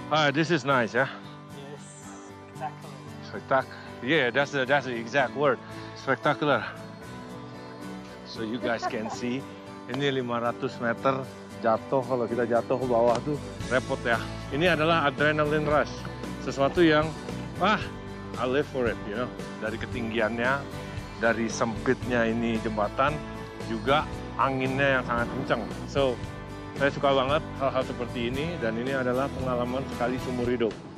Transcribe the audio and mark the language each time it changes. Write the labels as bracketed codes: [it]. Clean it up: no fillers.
[en] This is nice, yeah? Yes, spectacular. Spectacular. Yeah, that's the exact word. Spectacular. So you guys can see, [id] ini 500 meter jatuh. Kalau kita jatuh ke bawah tuh repot ya. Ini adalah adrenaline rush. Sesuatu yang, wah, [en] I live for it, you know. [id] Dari ketinggiannya, dari sempitnya ini jembatan, juga anginnya yang sangat kencang. So, saya suka banget hal-hal seperti ini, dan ini adalah pengalaman sekali seumur hidup.